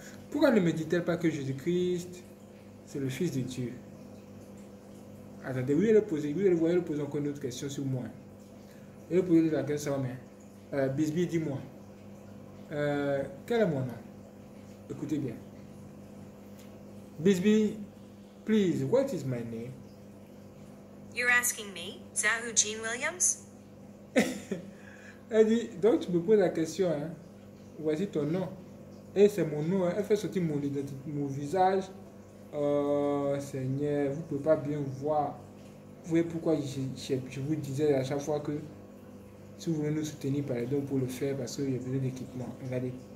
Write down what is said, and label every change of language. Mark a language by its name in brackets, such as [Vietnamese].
[French] Pourquoi ne me dit-elle pas que Jésus-Christ, c'est le Fils de Dieu? Attendez, oui, elle a posé, oui, elle voyait poser encore une autre question sur moi. Elle a posé la question, mais Bisby, dis-moi, quel est mon nom? Écoutez bien. [English] Bisby, please, what is my name? You're asking me, Zahu Jean Williams? [French] Elle dit, donc tu me poses la question, hein? Voici ton nom. Et c'est mon nom, elle fait sortir mon identité, mon visage. Oh Seigneur, vous ne pouvez pas bien voir. Vous voyez pourquoi je vous disais à chaque fois que si vous voulez nous soutenir, par les dons pour le faire, parce que j'ai besoin d'équipement. Regardez.